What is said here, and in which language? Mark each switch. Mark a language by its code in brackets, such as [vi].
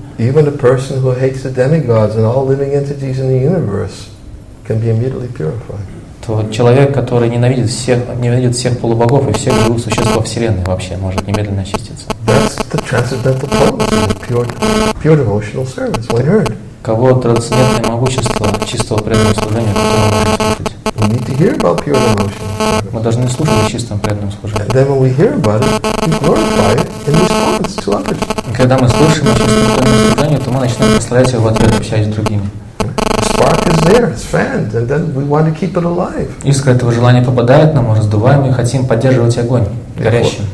[en] Even a person who hates the demigods and all living entities in the universe can be immediately purified. [ru] То человек, который ненавидит всех полубогов и всех живых существ во Вселенной вообще, может немедленно очиститься. [en] That's the transcendental potency of pure devotional service, when heard. [ru] Кого трансцендентное могущество чистого преданного служения, которое мы можем слушать? [en] We need to hear about pure devotional service. [ru] Мы должны слушать о чистом преданном служении. [en] And then when we hear about it, we glorify it in response to others. [ru] Когда мы слушаем о чистом преданном служении, то мы начинаем прославлять его в ответ, общаясь с другими. [en] Spark is there, it's fanned, and then we want to keep it alive. [ru] Искра этого желания попадает нам, мы раздуваем и хотим поддерживать огонь горящим.